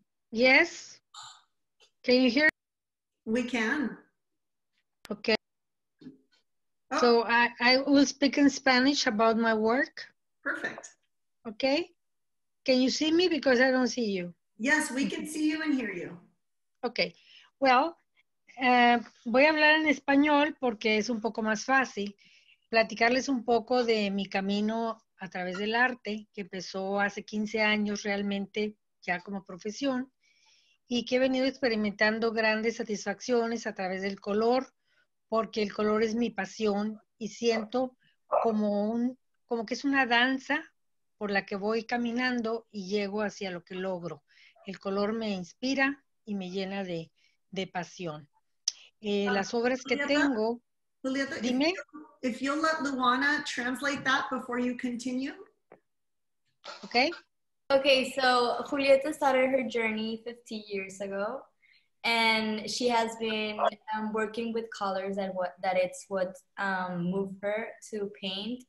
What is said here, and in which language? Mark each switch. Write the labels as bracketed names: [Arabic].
[English] Yes. Can you hear? We can. Okay. Oh. So I will speak in Spanish about my work. Perfect. Okay. Can you see me? Because I don't see you. Yes, we can see you and hear you. Okay. [Spanish] Well, voy a hablar en español porque es un poco más fácil platicarles un poco de mi camino a través del arte, que empezó hace 15 años realmente ya como profesión y que he venido experimentando grandes satisfacciones a través del color, porque el color es mi pasión y siento como que es una danza por la que voy caminando y llego hacia lo que logro. El color me inspira y me llena de pasión. Las obras que tengo... Julieta, dime. [English] If you'll let Luana translate that before you continue. Okay. Okay, so Julieta started her journey 15 years ago. And she has been working with colors and that it's what moved her to paint.